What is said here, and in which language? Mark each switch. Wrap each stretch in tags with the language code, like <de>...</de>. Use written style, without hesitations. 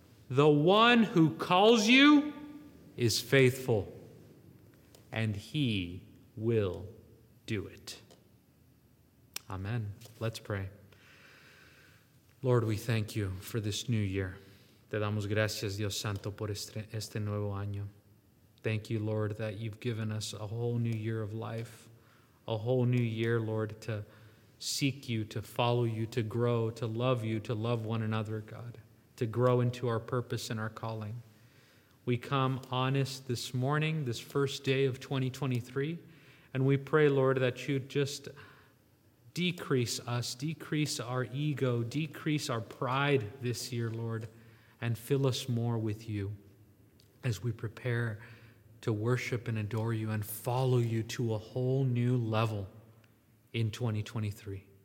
<en>The one who calls you is faithful, and he will do it. Amen. Let's pray. Lord, we thank you for this new year.</en> <es>Te damos gracias, Dios Santo, por este nuevo año.</es> <en>Thank you, Lord, that you've given us a whole new year of life, a whole new year, Lord, to seek you, to follow you, to grow, to love you, to love one another, God, to grow into our purpose and our calling. We come honest this morning, this first day of 2023, and we pray, Lord, that you'd just decrease us, decrease our ego, decrease our pride this year, Lord, and fill us more with you as we prepare to worship and adore you and follow you to a whole new level in 2023.</en>